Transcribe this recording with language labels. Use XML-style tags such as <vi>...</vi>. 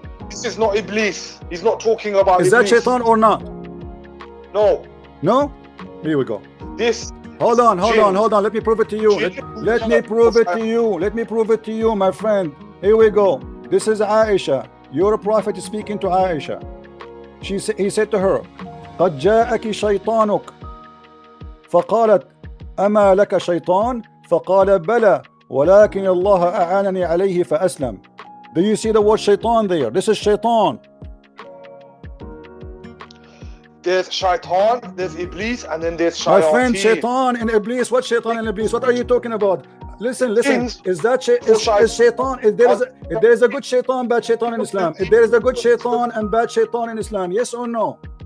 <en>This is not Iblis. He's not talking about Iblis. Is that Shaitan or not? No. No. Here we go. This. Hold on. Let me prove it to you. Let me prove it to you, my friend. Here we go. This is Aisha. Your prophet is speaking to Aisha. He said to her,</en> <ar>قَدْ جَاءَكِ شَيْطَانُكَ فَقَالَتْ أَمَا لَكَ شَيْطَانُ فَقَالَ بَلَى وَلَكِنِ اللَّهَ أَعَانَنِي عَلَيْهِ فَأَسْلَمْ.</ar> <en>Do you see the word Shaitan there? This is Shaitan. there's shaitan, there's iblis, and then there's shayateen. My friend, shaitan and iblis. What shaitan and iblis? What are you talking about? Listen. Is shaitan? If there is a good shaitan, bad shaitan in Islam. If there is a good shaitan and bad shaitan in Islam, yes or no?</en>